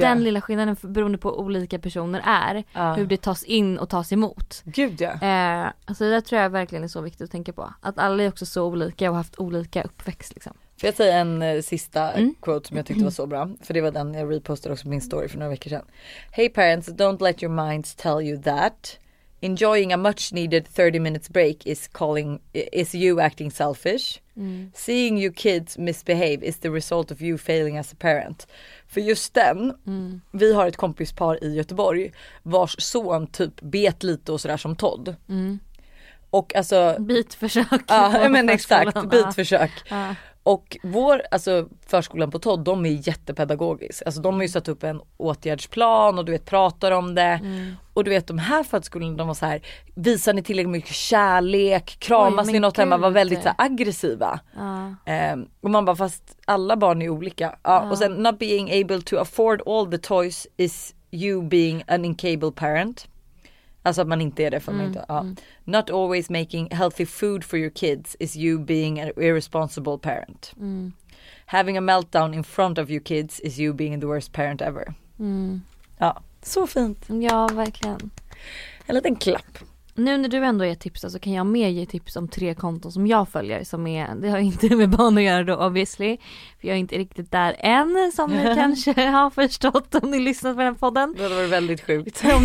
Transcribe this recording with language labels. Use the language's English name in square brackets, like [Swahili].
[Swedish] den lilla skillnaden beroende på olika personer är hur det tas in och tas emot. Gud ja. Alltså det tror jag verkligen är så viktigt att tänka på, att alla är också så olika och haft olika uppväxt liksom. Får jag säga en sista quote som jag tyckte var så bra, för det var den jag repostade också min story för några veckor sedan. [English] Hey parents, don't let your minds tell you that enjoying a much needed 30 minutes break is you acting selfish. Seeing your kids misbehave is the result of you failing as a parent. [Swedish] För just den, vi har ett kompispar i Göteborg vars son typ bet lite och sådär som Todd. Och alltså... Bitförsök. Ja, men exakt, bitförsök. Och vår, alltså förskolan på Todd, de är jättepedagogisk. Alltså de har ju satt upp en åtgärdsplan och du vet, pratar om det. Mm. Och du vet, de här förskolorna, de var så här, visar ni tillräckligt mycket kärlek, kramas ni något hemma, var väldigt så här, aggressiva. Och man bara, fast alla barn är olika. Och sen, [English] not being able to afford all the toys is you being an incapable parent. [Swedish] Alltså att man inte är det för mig. [English] Not always making healthy food for your kids is you being an irresponsible parent. Mm. Having a meltdown in front of your kids is you being the worst parent ever. Mm. [Swedish] Ja. Så fint. Ja, verkligen. En liten klapp. Nu när du ändå ger tips så kan jag mer ge tips om tre konton som jag följer. Som är, det har inte med barn att göra då, obviously. För jag är inte riktigt där än, som ni kanske har förstått om ni lyssnat på den podden. Det var väldigt sjukt.